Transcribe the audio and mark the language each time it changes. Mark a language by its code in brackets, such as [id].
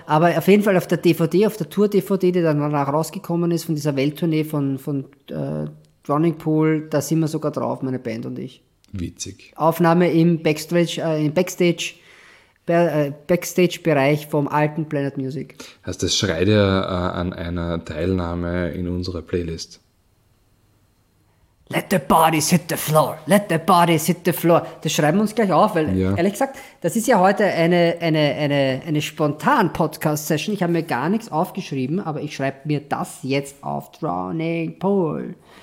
[de] Aber auf jeden Fall auf der DVD, auf der Tour-DVD, die dann danach rausgekommen ist von dieser Welttournee von Drowning Pool, da sind wir sogar drauf, meine Band und ich. Witzig. Aufnahme im Backstage-Bereich vom alten Planet Music. Heißt, das schreit ja an einer Teilnahme in unserer Playlist. [en] Let the bodies hit the floor, let the bodies hit the floor. [de] Das schreiben wir uns gleich auf, weil ja, ehrlich gesagt, das ist ja heute eine spontan Podcast-Session. Ich habe mir gar nichts aufgeschrieben, aber ich schreibe mir das jetzt auf Drowning Pool.